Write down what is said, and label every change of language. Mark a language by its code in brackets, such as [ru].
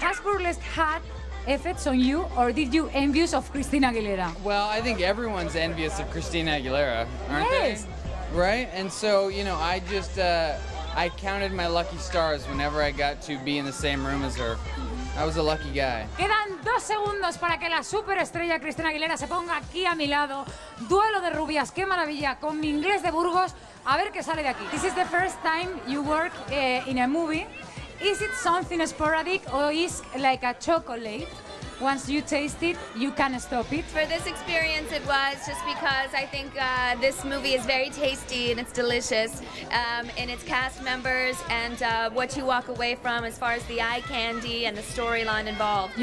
[en] Has Burlesque had effects on you, or did you envious of Christina Aguilera? Well, I think everyone's envious of Christina Aguilera, aren't yes. they? Right? And so, you know, I just, I counted my lucky stars whenever I got to be in the same room as her. I was a lucky guy. [es] Quedan dos segundos para que la superestrella Christina Aguilera se ponga aquí a mi lado. Duelo de rubias, qué maravilla, con mi inglés de Burgos, a ver qué sale de aquí. [en] This is the first time you work in a movie. Is it something sporadic or is like a chocolate? Once you taste it, you can't stop it. For this experience, it was just because I think this movie is very tasty and it's delicious in its cast members and what you walk away from as far as the eye candy and the storyline involved.